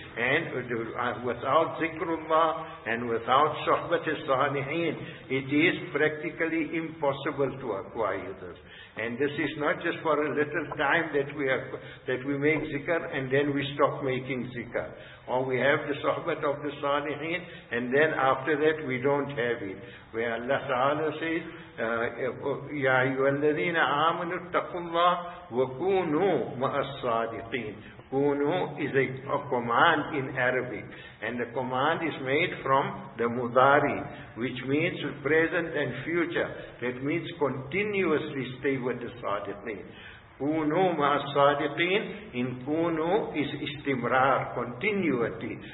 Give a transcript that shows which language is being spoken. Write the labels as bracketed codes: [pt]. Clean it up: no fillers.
[en] And without zikrullah and without shahbat al-saliheen, it is practically impossible to acquire this. And this is not just for a little time that we make zikr and then we stop making zikr. Or we have the shahbat of the saliheen and then after that we don't have it. Where Allah Ta'ala says, [ar] يَا أَيُّهَا الَّذِينَ آمَنُوا اتَّقُوا اللَّهِ وَكُونُوا مَا الصَّادِقِينَ. [en] Kunu is a command in Arabic. And the command is made from the mudari, which means present and future. That means continuously stay with the sadiqeen. Kunu ma sadiqeen. In kunu is istimrar, continuity.